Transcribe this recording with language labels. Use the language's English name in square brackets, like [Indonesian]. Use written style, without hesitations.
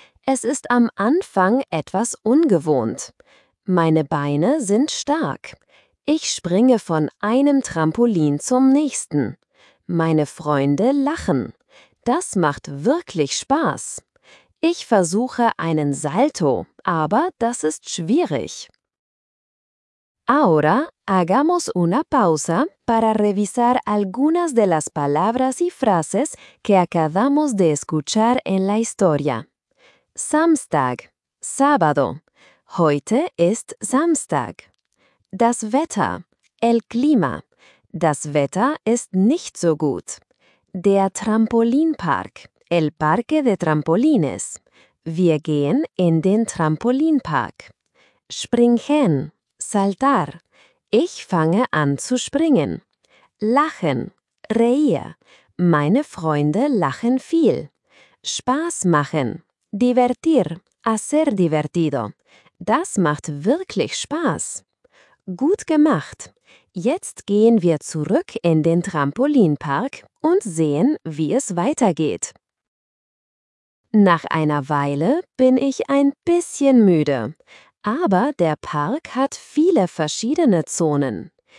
[German] Es ist am Anfang etwas ungewohnt. Meine Beine sind stark. Ich springe von einem Trampolin zum nächsten. Meine Freunde lachen. Das macht wirklich Spaß. Ich versuche einen Salto, aber das ist schwierig. [Spanish] Ahora hagamos una pausa para revisar algunas de las palabras y frases que acabamos de escuchar en la historia. [German] Samstag, sábado. Heute ist Samstag. Das Wetter, el clima. Das Wetter ist nicht so gut. Der Trampolinpark, el parque de trampolines. Wir gehen in den Trampolinpark. Springen, saltar. Ich fange an zu springen. Lachen, reír. Meine Freunde lachen viel. Spaß machen, divertir, hacer divertido. Das macht wirklich Spaß. Gut gemacht. Jetzt gehen wir zurück in den Trampolinpark und sehen, wie es weitergeht. Nach einer Weile bin ich ein bisschen müde, aber der Park hat viele verschiedene Zonen.